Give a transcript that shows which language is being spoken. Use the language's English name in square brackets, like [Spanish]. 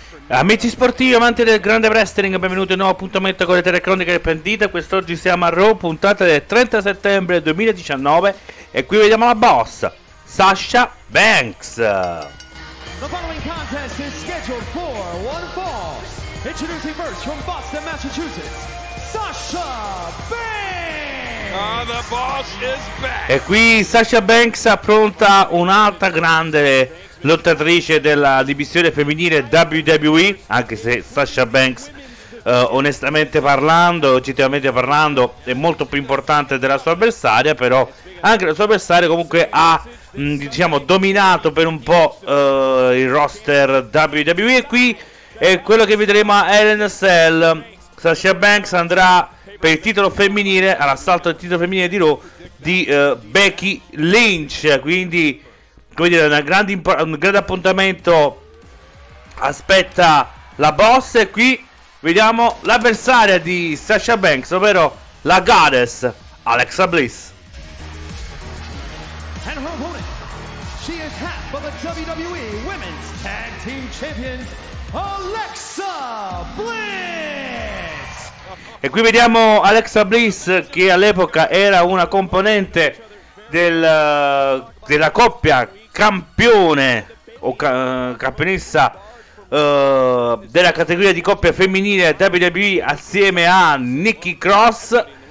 [Italian] Amici sportivi, amanti del grande wrestling, benvenuti a un nuovo appuntamento con le telecroniche pendite. Quest'oggi siamo a Raw, puntata del 30 settembre 2019, e qui vediamo la boss, Sasha Banks. [English] The following contest is scheduled for one fall. Introducing first from Boston, Massachusetts, Sasha Banks. Ah, the boss is back. [Italian] E qui Sasha Banks appronta un'altra grande lottatrice della divisione femminile WWE, anche se Sasha Banks, onestamente parlando, oggettivamente parlando, è molto più importante della sua avversaria, però anche la sua avversaria comunque ha diciamo dominato per un po' il roster WWE. E qui è quello che vedremo a Hell in a Cell. Sasha Banks andrà per il titolo femminile, all'assalto del titolo femminile di Raw di Becky Lynch, quindi come dire, un grande appuntamento aspetta la boss. E qui vediamo l'avversaria di Sasha Banks, ovvero la goddess Alexa Bliss. [English] And her opponent, she is half of the WWE Women's Tag Team Champions, Alexa Bliss. [Italian] E qui vediamo Alexa Bliss, che all'epoca era una componente della coppia campione o campionessa della categoria di coppia femminile WWE assieme a Nikki Cross.